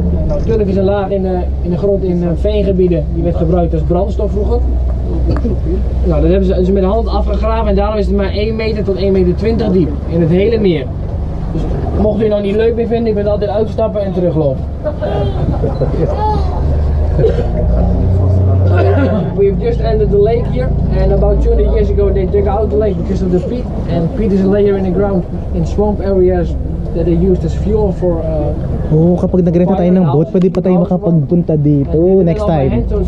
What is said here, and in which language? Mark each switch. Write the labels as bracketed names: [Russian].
[Dutch] Nou, turf is een laag in de grond in veengebieden die werd gebruikt als brandstof vroeger. Nou, dat hebben ze met de hand afgegraven en daarom is het maar 1 meter tot 1 meter 20 diep in het hele meer. Dus mocht u het nou niet leuk meer vinden, ik ben altijd uitstappen en teruglopen. [English] We've just entered the lake here and about 200 years ago they dug out the lake because of the peat. And peat is a layer in the ground in swamp areas that they used as fuel for... [Filipino] Kapag nag-renta tayo ng boat, pwede pa tayo makapagpunta dito [English] next time.